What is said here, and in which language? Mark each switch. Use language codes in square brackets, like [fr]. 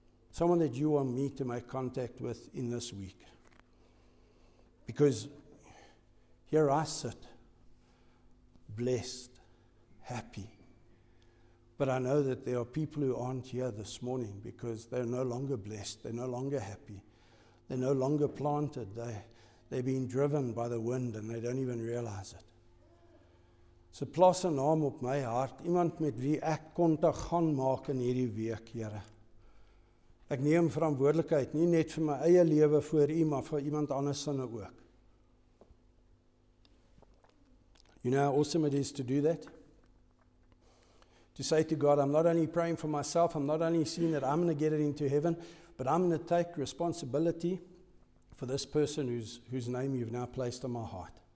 [en] Someone that you want me to make contact with in this week. Because here I sit, blessed, happy. But I know that there are people who aren't here this morning because they're no longer blessed. They're no longer happy. They're no longer planted. They're being driven by the wind and they don't even realize it. [af] So plaas 'n naam op my hart, iemand met wie ek kontak gaan maak in hierdie week, Here. Ek neem verantwoordelikheid, nie net vir my eie lewe voor U, maar vir iemand anders sinne ook. [en] You know how awesome it is to do that? To say to God, I'm not only praying for myself, I'm not only seeing that I'm going to get it into heaven, but I'm going to take responsibility for this person whose name you've now placed on my heart.